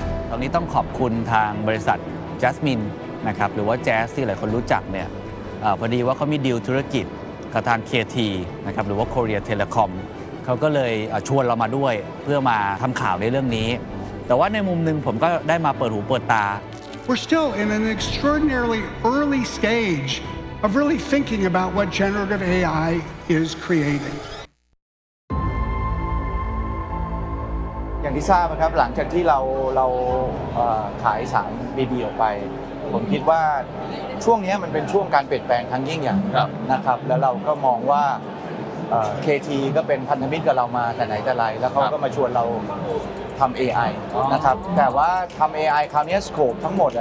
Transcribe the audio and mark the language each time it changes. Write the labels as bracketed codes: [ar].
[th] ตอนนี้ต้องขอบคุณทางบริษัท Jasmine นะครับหรือว่า Jazz ที่หลายคนรู้จักเนี่ยพอดีว่าเขามีดีลธุรกิจกับทาง KT นะครับหรือว่า Korea Telecom เขาก็เลยชวนเรามาด้วยเพื่อมาทำข่าวในเรื่องนี้แต่ว่าในมุมนึงผมก็ได้มาเปิดหูเปิดตา [en] We're still in an extraordinarily early stageof really thinking about what generative AI is creating. [th] อย่างที่ทราบนะครับหลังจากที่เราขายสาร BB ออกไปผมคิดว่าช่วงนี้มันเป็นช่วงการเปลี่ยนแปลงครั้งยิ่งใหญ่ นะครับแล้วเราก็มองว่าKT ก็เป็นพันธมิตรกับเรามาแต่ไหนแต่ไรแล้วเขาก็มาชวนเราทำ AI นะครับแต่ว่าทำ AI คราวนี้สโคปทั้งหมดอ